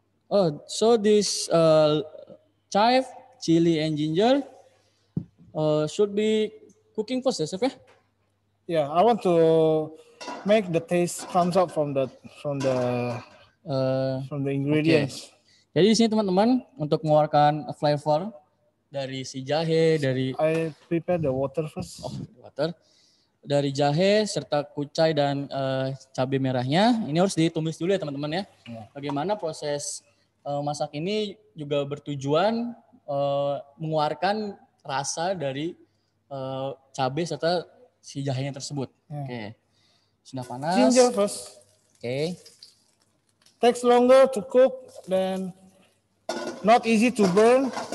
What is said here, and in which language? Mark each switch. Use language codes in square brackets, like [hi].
[en] Oh, so this chive, chili and ginger should be cooking first, yes, okay? Yeah, I want to make the taste comes out from the ingredients. Okay. [id] Jadi di sini teman-teman untuk mengeluarkan flavor dari si jahe, dari [en] I prepare the water first. Oh, water. [id] Dari jahe serta kucai dan cabai merahnya, ini harus ditumis dulu ya teman-teman ya. Yeah. Bagaimana proses masak ini juga bertujuan mengeluarkan rasa dari cabai serta si jahenya tersebut. [en] Yeah. [id] Oke. Sudah panas. [en] Ginger first. [id] Oke. [en] Takes longer to cook than not easy to burn.